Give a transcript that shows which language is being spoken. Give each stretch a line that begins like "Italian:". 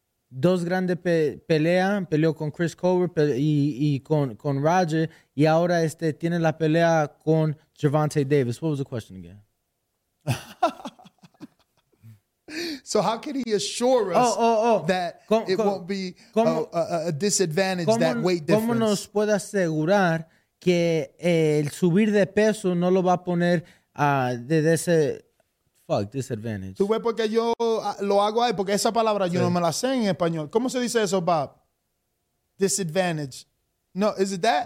Spanish: dos grandes peleas, peleó con Chris Colbert y con Roger, y ahora tiene la pelea con Gervonta Davis.
English: What was the question again? So how can he assure us that won't be a disadvantage, that weight difference?
Spanish: ¿Cómo nos puede asegurar que el subir de peso no lo va a poner disadvantage? Tú ves porque yo lo hago ahí, porque esa palabra yo no me la sé en español. ¿Cómo se dice eso, Bob? Disadvantage. No,
English: is it that?